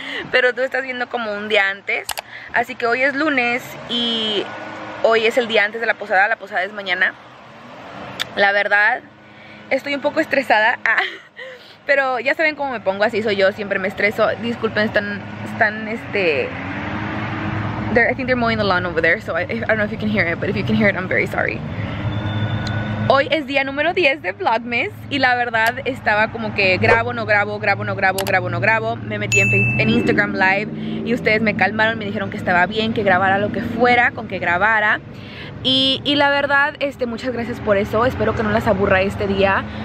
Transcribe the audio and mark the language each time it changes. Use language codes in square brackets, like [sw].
[es] Pero tú estás viendo como un día antes. Así que hoy es lunes y hoy es el día antes de la posada es mañana. La verdad, estoy un poco estresada. Pero ya saben cómo me pongo, así soy yo, siempre me estreso. Disculpen, están... [en] I think they're mowing the lawn over there, so I don't know if you can hear it, but if you can hear it, I'm very sorry. [es] Hoy es día número 10 de Vlogmas, y la verdad estaba como que grabo, no grabo, grabo, no grabo, grabo, no grabo. Me metí en Instagram Live, y ustedes me calmaron, me dijeron que estaba bien, que grabara lo que fuera, con que grabara. Y la verdad, muchas gracias por eso, espero que no las aburra este día.